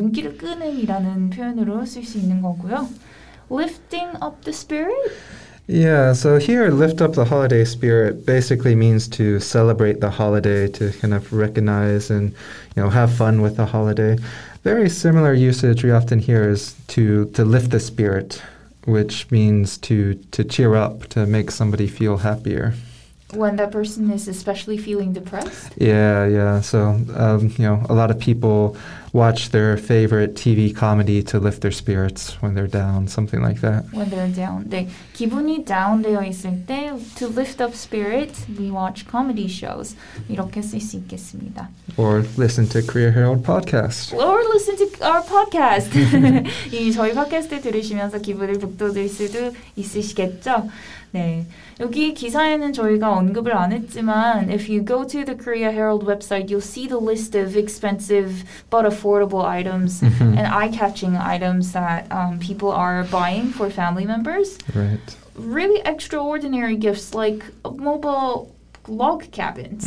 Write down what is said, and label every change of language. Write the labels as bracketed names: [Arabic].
[Korean] 눈길을 끄는이라는 표현으로 쓸 수 있는 거고요. [English] Lifting up the spirit? Yeah, so here, lift up the holiday spirit basically means to celebrate the holiday, to kind of recognize and, you know, have fun with the holiday. Very similar usage we often hear is to lift the spirit, which means to cheer up, to make somebody feel happier. When that person is especially feeling depressed? Yeah, yeah. So, you know, a lot of people watch their favorite TV comedy to lift their spirits when they're down, something like that. When they're down. [Korean] 네. 기분이 다운되어 있을 때, [English] to lift up spirits, we watch comedy shows. [Korean] 이렇게 쓸 수 있겠습니다. [English] Or listen to Korea Herald podcast. Or listen to our podcast. [Korean] 이 저희 팟캐스트 들으시면서 기분을 북돋을 수도 있으시겠죠? 네. 여기 기사에는 저희가 언급을 안 했지만 [English] if you go to the Korea Herald website, you'll see the list of expensive but affordable items and eye-catching items that people are buying for family members. Right. Really extraordinary gifts like mobile log cabins.